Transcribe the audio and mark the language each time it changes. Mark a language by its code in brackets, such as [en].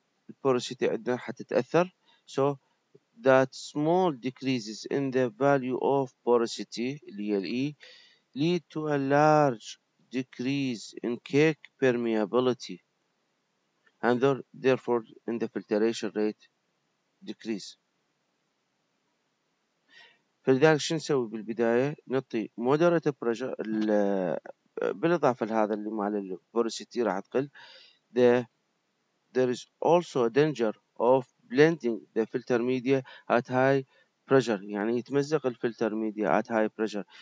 [ar] البوروسيتي عندنا حتتأثر [en] so that small decreases in the value of porosity [ar] اللي هي الE [en] lead to a large decrease in cake permeability and therefore in the filtration rate decrease. [ar] فلذلك شو نسوي بالبداية نعطي moderate pressure بالإضافة لهذا اللي مال البوروسيتي راح تقل. [en] There is also a danger of blending the filter media at high [ar] بريشر، يعني يتمزق الفلتر ميديا [en] at high pressure.